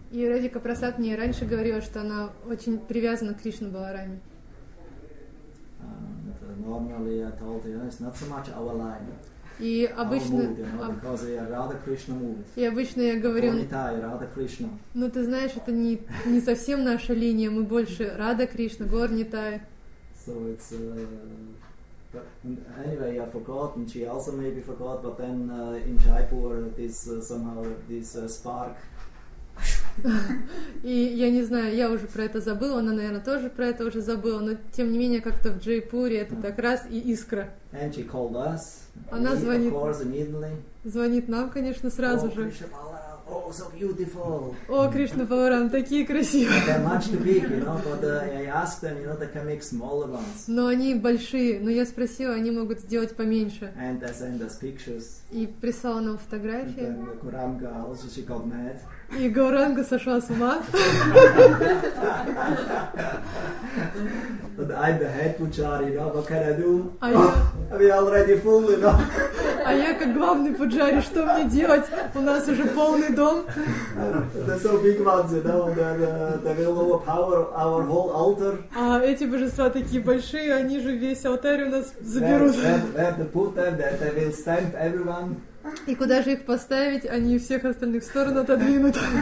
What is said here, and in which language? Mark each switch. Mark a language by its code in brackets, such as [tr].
[ru] И Радика Прасад мне раньше говорила, что она очень привязана к Кришна Баларами. [en] Normally I told you, it's not so much our line. [ru] И обычно, [en] because we are Radha Krishna mood. [ru] И обычно я говорю, [en] Bonitai, Radha Krishna. [ru] Ну ты знаешь, это не совсем наша линия, мы больше Radha Krishna, Gornitai. [en] So it's anyway, I forgot, and she also maybe forgot, but then in Jaipur this somehow this spark. [ru] И я не знаю, я уже про это забыла, она, наверное, тоже про это уже забыла, но тем не менее как-то в Джайпуре это так раз и искра. [en] And she called us. [ru] Она звонит. [en] Of course, immediately. [ru] Звонит нам, конечно, сразу же. [en] Oh, Krishna Balaram, oh, so beautiful. [ru] О, Кришна Баларам, такие красивые. [en] They're much too big, you know, but I asked them, you know, they can make smaller ones. [ru] Но они большие, но я спросила, они могут сделать поменьше. [en] And they send us pictures. [ru] И прислала нам фотографии. [en] And then Kuranga also, she got mad. [ru] И Гауранга сошла с ума. [en] But I'm the head pujari, you know, what can I do? [ru] А я... [en] We already full, you know. [ru] А я как главный пуджари, что мне делать? У нас уже полный дом. [en] They're so big ones, you know, they will overpower our whole altar. [ru] А эти божества такие большие, они же весь алтарь у нас заберут. [en] Where to put them, that they will stamp everyone. [ru] И куда же их поставить, они всех остальных в сторону отодвинут.